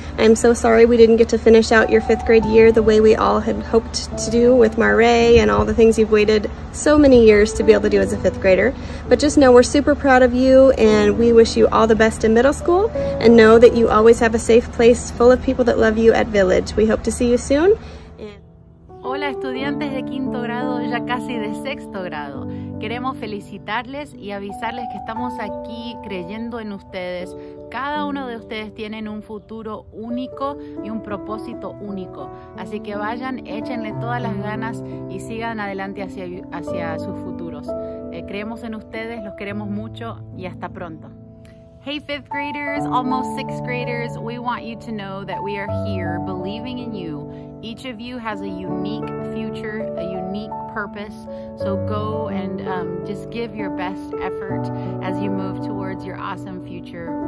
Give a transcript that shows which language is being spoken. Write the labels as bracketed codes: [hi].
[en] I'm so sorry we didn't get to finish out your fifth grade year the way we all had hoped to do with Maree and all the things you've waited so many years to be able to do as a fifth grader. But just know we're super proud of you and we wish you all the best in middle school and know that you always have a safe place full of people that love you at Village. We hope to see you soon. [es] Hola estudiantes de quinto grado, ya casi de sexto grado. Queremos felicitarles y avisarles que estamos aquí creyendo en ustedes. Cada uno de ustedes tiene un futuro único y un propósito único. Así que vayan, échenle todas las ganas y sigan adelante hacia sus futuros. Creemos en ustedes, los queremos mucho y hasta pronto. [en] Hey fifth graders, almost sixth graders, we want you to know that we are here believing in you. Each of you has a unique future, a unique purpose, so go and just give your best effort as you move towards your awesome future.